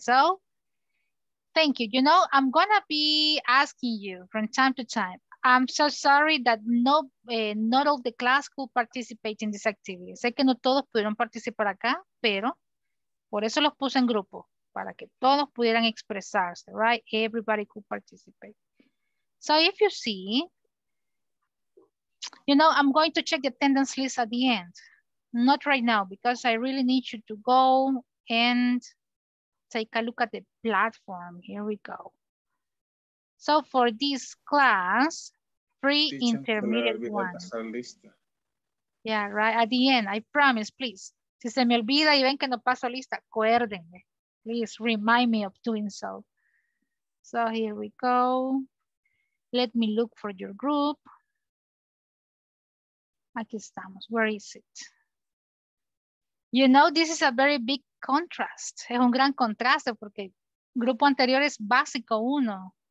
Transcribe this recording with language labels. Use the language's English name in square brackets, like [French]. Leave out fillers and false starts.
[English] So, thank you. You know, I'm going to be asking you from time to time. I'm so sorry that not all the class could participate in this activity. [Spanish] Sé que no todos pudieron participar acá, pero por eso los puse en grupo, para que todos pudieran expresarse, right? [English] Everybody could participate. So if you see, you know, I'm going to check the attendance list at the end. Not right now, because I really need you to go and take a look at the platform. Here we go. So for this class, pre-intermediate one. Yeah, right, at the end, I promise, please. [Spanish] Si se me olvida y ven que no paso lista, acuérdenme. [English] Please remind me of doing so. So here we go. Let me look for your group. [Spanish] Aquí estamos. [English] Where is it? You know, this is a very big contrast. [Spanish] Es un gran contraste porque grupo anterior es básico uno.